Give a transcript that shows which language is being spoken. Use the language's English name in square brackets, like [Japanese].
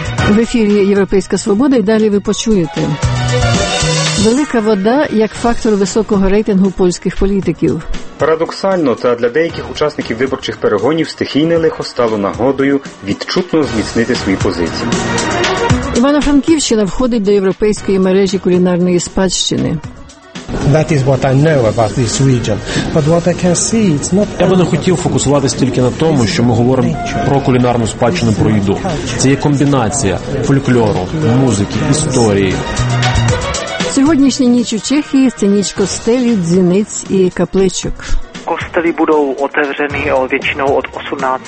[Ukrainian] В ефірі «Європейська свобода» і далі ви почуєте. Велика вода як фактор високого рейтингу польських політиків. Парадоксально, та для деяких учасників виборчих перегонів стихійне лихо стало нагодою відчутно зміцнити свої позиції. Івано-Франківщина входить до європейської мережі кулінарної спадщини. [English] That is what I know about this region. But what I can see, it's not. [Ukrainian] Я би не хотів фокусуватись тільки на тому, що ми говоримо про кулінарну спадщину, про їду. Це є комбінація фольклору, музики, історії. Сьогоднішня ніч у Чехії – це ніч костелі, дзвіниць і капличок. Костелі будуть відкриті [Czech] většinou [Ukrainian] від 18.